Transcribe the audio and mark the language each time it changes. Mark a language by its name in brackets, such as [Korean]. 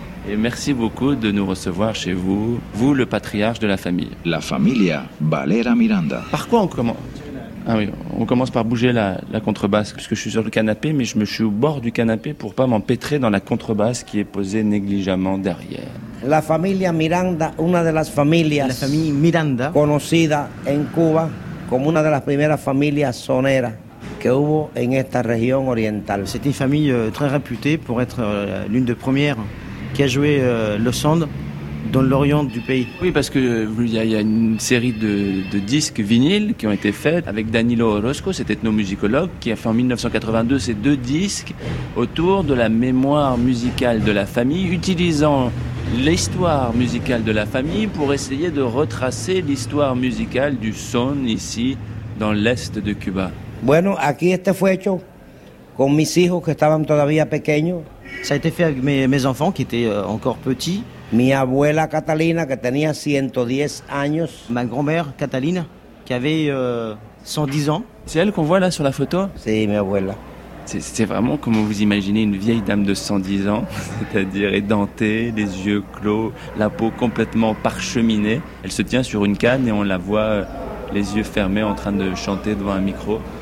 [French] Et merci beaucoup de nous recevoir chez vous, vous le patriarche de la famille. [Spanish] La familia Valera Miranda. [French] Par quoi on commence ? Ah oui, on commence par bouger la contrebasse, puisque je suis sur le canapé, mais je me suis au bord du canapé pour pas m'empêtrer dans la contrebasse qui est posée négligemment derrière. [Spanish] La familia Miranda, una de las familias. [French] La famille Miranda. [Spanish] Conocida en Cuba como una de las primeras familias soneras que hubo en esta región oriental. [French] C'est une famille très réputée pour être l'une des premières qui a joué le son dans l'Orient du pays. Oui, parce qu'il y a une série de disques vinyles qui ont été faits avec Danilo Orozco, cet ethnomusicologue, qui a fait en 1982 ces deux disques autour de la mémoire musicale de la famille, utilisant l'histoire musicale de la famille pour essayer de retracer l'histoire musicale du son ici, dans l'est de Cuba. [Spanish] Bueno, aquí este fue hecho con mis hijos que estaban todavía pequeños. [French] Ça a été fait avec mes enfants qui étaient encore petits. [Spanish] Mi abuela Catalina, que tenía 110 años. [French] Ma grand-mère Catalina, qui avait 110 ans. C'est elle qu'on voit là sur la photo? [Spanish] Sí, mi abuela. [French] C'est vraiment comme vous imaginez une vieille dame de 110 ans, c'est-à-dire édentée, les yeux clos, la peau complètement parcheminée. Elle se tient sur une canne et on la voit les yeux fermés en train de chanter devant un micro.